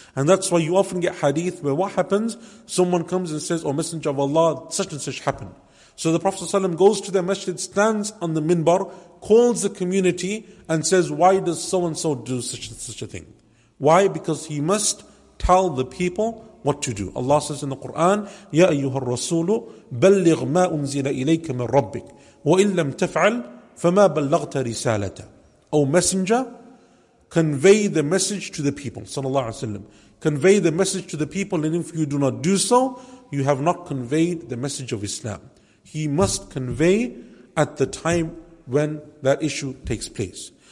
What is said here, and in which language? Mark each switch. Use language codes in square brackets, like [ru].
[en] And that's why you often get hadith where what happens? Someone comes and says, oh, Messenger of Allah, such and such happened. So the Prophet ﷺ goes to their masjid, stands on the minbar, calls the community and says, why does so-and-so do such and such a thing? Why? Because he must tell the people what to do. Allah says in the Quran, [ar] يَا أَيُّهَا الرَّسُولُ بَلِّغْ مَا أُنزِلَ إِلَيْكَ مِنْ رَبِّكَ وَإِن لَمْ تَفْعَلْ فَمَا بَلَّغْتَ رِسَالَتَ. [en] O Messenger, convey the message to the people. Sallallahu alayhi wa sallam. Convey the message to the people, and if you do not do so, you have not conveyed the message of Islam. He must convey at the time when that issue takes place.